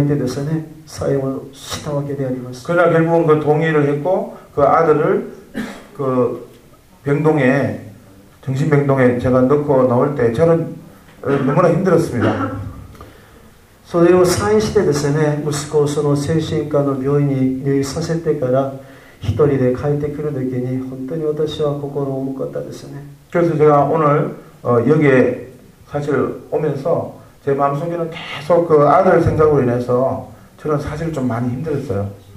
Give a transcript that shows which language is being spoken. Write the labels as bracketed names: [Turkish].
[Japanese] 私はですね、病院で精神科のその病院に入院させる時に、その息子のですね、手足を縛っておいても大丈夫だっていう、そういう書類にサインをしないといけなかったんですが、その時に本当に涙をこらえてですね、サインをしたわけであります。 [Korean] 그러나 결국은 그 동의를 했고 그 아들을 그 병동에 정신병동에 제가 넣고 나올 때 저는 너무나 힘들었습니다. [Japanese] それを再院してですね、息子をその精神科の病院に入院させてから一人で帰ってくる時に本当に私は心重かったですね。 [Korean] 그래서 제가 오늘 여기에 사실 오면서 제 마음속에는 계속 그 아들 생각으로 인해서 저는 사실 좀 많이 힘들었어요.